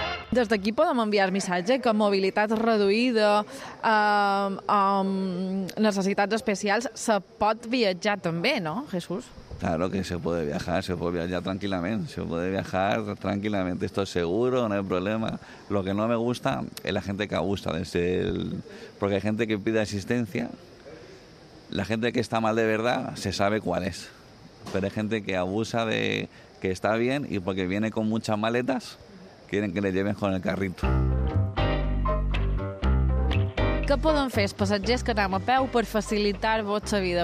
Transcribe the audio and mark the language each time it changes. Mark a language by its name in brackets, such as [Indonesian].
[Catalan] Des d'aquí podem enviar missatge que mobilitat reduïda amb necessitats especials se pot viatjar també, no, Jesús? [Spanish] Claro que se puede viajar tranquilamente, esto es seguro, no hay problema. Lo que no me gusta es la gente que abusa, porque hay gente que pide asistencia, la gente que está mal de verdad se sabe cuál es, pero hay gente que abusa de que está bien y porque viene con muchas maletas, quieren que le lleven con el carrito. [Catalan] Què poden fer els passatgers que anem a peu per facilitar-vos la vida?